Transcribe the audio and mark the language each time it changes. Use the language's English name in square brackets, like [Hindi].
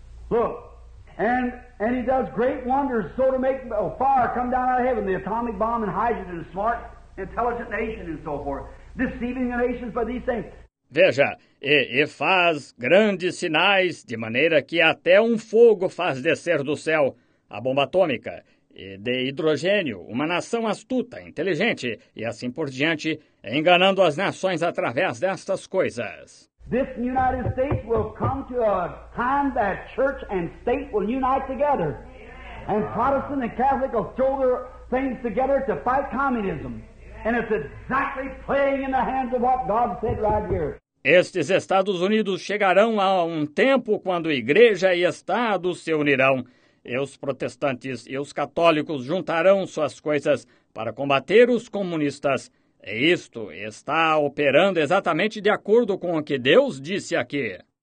[English] Look, and he does great wonders so to make a fire come down out of heaven, the atomic bomb and hydrogen, smart, intelligent nation and so forth, deceiving the nations by these things. [Portuguese] Veja, e faz grandes sinais de maneira que até um fogo faz descer do céu, a bomba atômica. De hidrogênio, uma nação astuta, inteligente, e assim por diante, enganando as nações através destas coisas. [English] This United States will come to a time that church and state will unite together. And Protestant and Catholic will throw their things together to fight communism. And it's exactly playing in the hands of what God said right here. [Portuguese] Estes Estados Unidos chegarão a um tempo quando igreja e Estado se unirão. E os protestantes e os católicos juntarão suas coisas para combater os comunistas. E isto está operando exatamente de acordo com o que Deus disse aqui.